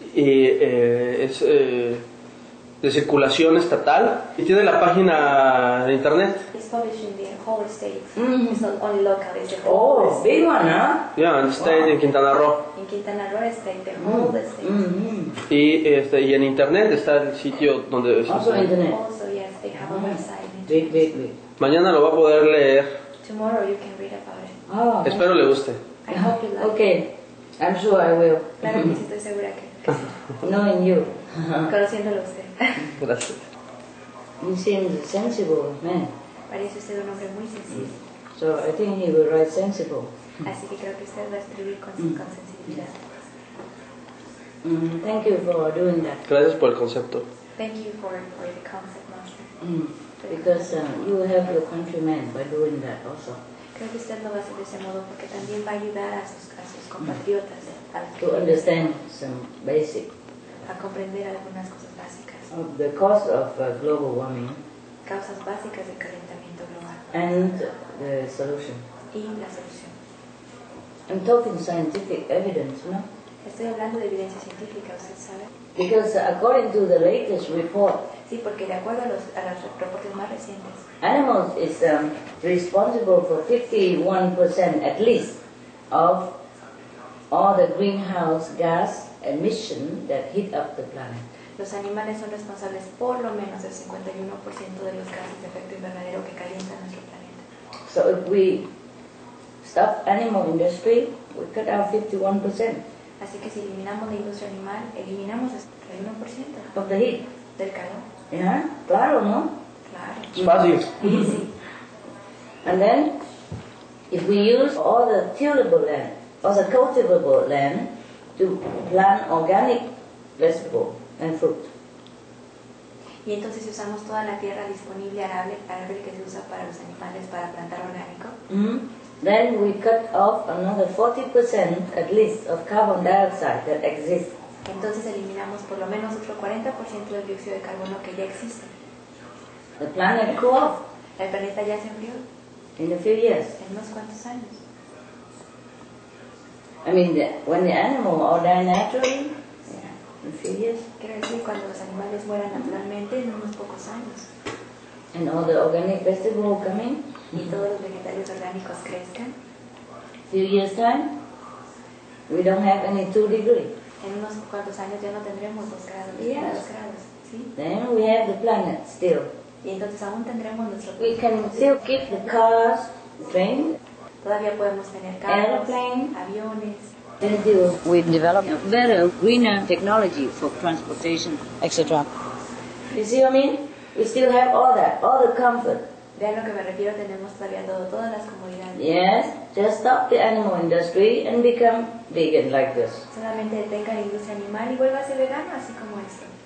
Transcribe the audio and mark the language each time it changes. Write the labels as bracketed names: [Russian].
[Spanish] Y es de circulación estatal. Y tiene la página de internet. [English] It's published in the whole state. Mm-hmm. It's not only local, it's the whole state. Oh, big one, huh? Yeah, in Quintana Roo. In Quintana Roo state, the whole state. [Spanish] Y, y en internet está el sitio donde... [English] Also internet. Also, yes, they have a website. Big, big, big. [Spanish] Mañana lo va a poder leer. [English] Tomorrow you can read about it. Oh, [Spanish] espero le guste. [English] I hope you like okay. it. Okay, I'm sure I will. [Spanish] Claro que sí, estoy segura que sí. [English] Knowing you. [Spanish] Conociéndolo usted. Gracias. [English] He seems a sensible man. [Spanish] Parece usted un hombre muy sensible. [English] So I think he will write sensible. [Spanish] Así que creo que usted va a escribir con sensibilidad. [English] Thank you for doing that. [Spanish] Gracias por el concepto. [English] Thank you for the concept, Master. Because you will help your countrymen by doing that also. [Spanish] Creo que usted lo va a hacer de ese modo porque también va a ayudar a sus compatriotas. [English] To understand some basic. [Spanish] A comprender algunas cosas básicas. [English] Of the cause of global warming. [Spanish] Causas básicas del calentamiento global. [English] And the solution. [Spanish] Y la solución. [English] I'm talking scientific evidence, no? [Spanish] Estoy hablando de evidencia científica, ¿usted sabe? [English] Because according to the latest report, [Spanish] sí, porque de acuerdo a los reportes más recientes, [English] animals is responsible for 51% at least of all the greenhouse gas emission that hit up the planet. [Spanish] Los animales son responsables por lo menos del 51% de los gases de efecto invernadero que calientan nuestro planeta. [English] So if we stop animal industry, we cut out 51%. [Spanish] Así que si eliminamos la industria animal, eliminamos hasta el 1%. ¿Por qué? Del calor. ¿Ya? Yeah, claro, ¿no? Claro. Es fácil. [English] Easy. And then, if we use all the tillable land, all the cultivable land, to plant organic vegetable and fruit. [Spanish] Y entonces si usamos toda la tierra disponible arable, arable que se usa para los animales para plantar orgánico. [English] Then we cut off another 40% at least of carbon dioxide that exists. [Spanish] Entonces eliminamos por lo menos otro 40% del dióxido de carbono que ya existe. [English] The planet cool. [Spanish] El planeta ya se enfrió. [English] In a few years. [Spanish] En unos cuantos años. [English] I mean, when the animal all die naturally. In a few years. [Spanish] Quiero decir cuando los animales mueran naturalmente en unos pocos años. [English] And all the organic vegetables come in. [Spanish] Y todos los vegetales orgánicos crezcan. [English] Few years time, we don't have any 2 degrees. [Spanish] En unos cuantos años ya no tendremos 2 grados, [English] yes. [Spanish] 2 grados, ¿sí? [English] Then we have the planet still. [Spanish] Y entonces aún tendremos nuestro planeta. [English] We can still keep the cars, train. [Spanish] Todavía podemos tener carros, [English] airplane, [Spanish] aviones. [English] We developed a better, greener technology for transportation, etc. You see what I mean? We still have all that, all the comfort. [Spanish] Vean lo que me refiero, tenemos todavía todo, todas las comodidades. [English] Yes, just stop the animal industry and become vegan like this. [Spanish] Solamente detenga la industria animal y vuelva a ser vegano, así como esto.